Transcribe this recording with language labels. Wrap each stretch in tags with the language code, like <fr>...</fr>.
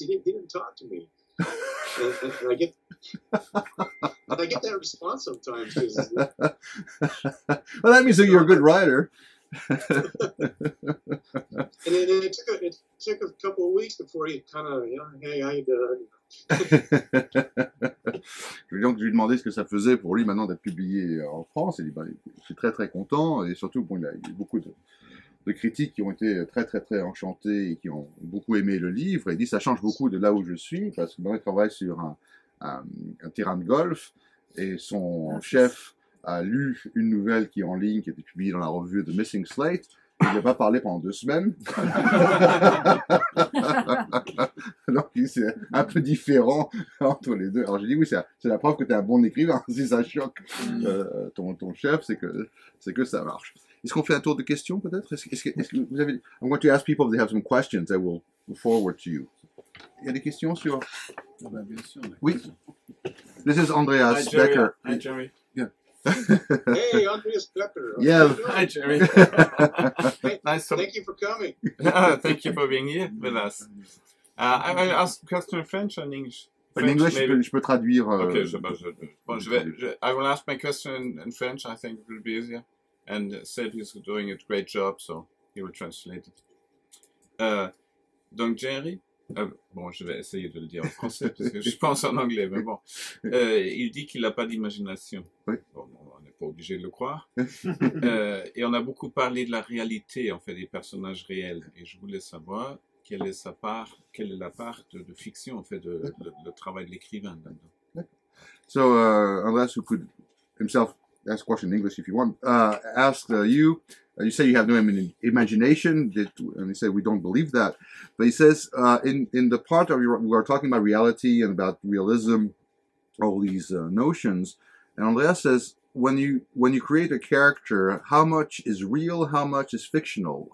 <en>He didn't talk to me. and I get that response sometimes. Well, that means that you're a good writer. and it took a couple of weeks before he kind of, hey, how you doing?</en> <fr>Donc, je lui demandais ce que ça faisait pour lui maintenant d'être publié en France. Et ben, je suis très très content, et surtout, bon, il y a beaucoup de critiques qui ont été très très très enchantées et qui ont beaucoup aimé le livre. Il dit, ça change beaucoup de là où je suis, parce que ben, il travaille sur un terrain de golf, et son chef a lu une nouvelle qui est en ligne, qui a été publiée dans la revue The Missing Slate. Il n'a pas parlé pendant 2 semaines. Donc, c'est un peu différent entre les deux. Alors, j'ai dit, oui, c'est la preuve que tu es un bon écrivain. Si ça choque ton chef, c'est que ça marche. Est-ce qu'on fait un tour de questions, peut-être? Est-ce que vous avez...</fr> <en>I'm going to ask people if they have some questions I will forward to you.</en> <fr>Il y a des questions sur... Ah, bien sûr. Oui.</fr> <en>This is Andreas Becker. Hi, Jerry. Hey, Andreas Pepper. Yeah. Hi, Jerry. Nice. Thank you for coming. Thank you for being here with us. I ask question in French and English. In English, maybe.</en> <fr>Je peux traduire.</fr> <en>Okay. I will ask my question in French. I think it will be easier. And Seb is doing a great job, so he will translate it.</en> <fr>Donc, Jerry. Bon, je vais essayer de le dire en français, parce que je pense en anglais, mais bon. Il dit qu'il n'a pas d'imagination. Oui. Bon, on est pas obligé de le croire. Et on a beaucoup parlé de la réalité, en fait, des personnages réels. Et je voulais savoir quelle est sa part, quelle est la part de fiction, en fait, de le travail de l'écrivain là-dedans.</fr> <en>So, Andres, who could himself ask a question in English if you want, asked you, you say you have no imagination, that, and he said we don't believe that, but he says in the part of we are talking about reality and about realism, all these notions, and Andres says, when you create a character, how much is real, how much is fictional?</en>